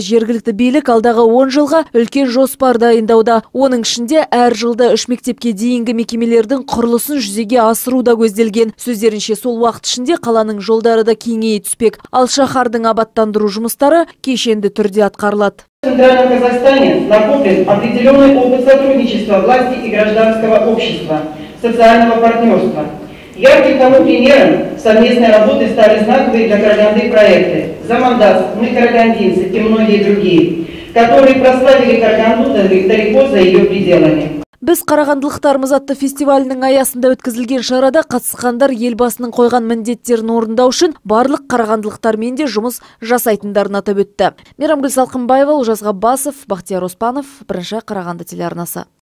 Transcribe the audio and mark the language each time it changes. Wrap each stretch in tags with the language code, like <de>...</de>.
<kk>Жергілікті билік алдағы 10 жылға үлкен жоспар дайындауда. Оның ішінде әр жылда 3 мектепке дейінгі мекемелердің құрылысын жүзеге асыру да көзделген. Сөздерінше сол уақыт ішінде қаланың жолдары да кеңейе түспек. Ал шаһардың абаттандыру жұмыстары кешенді түрде атқарылады.</kk> <ru>Центральный Казахстан накоплен определенный опыт сотрудничества власти и гражданского общества, социального партнерства. Ярким тому примером совместной работы стали знаковые для Караганды проекты «Замандас», «Мы карагандинцы» и многие другие, которые прославили Караганду далеко за ее пределами.</ru> <kk>Біз Қарағандылықтарымыз атты фестивалінің аясында өткізілген шарада қатысқандар елбасының қойған міндеттерін орындау үшін барлық қарағандылықтармен де жұмыс жасайтындарын атап өтті. Мейрамгүл Салқынбаева, Олжас Ғаббасов, Бақтияр Оспанов, бірінші Қарағанды телеарнасы.</kk>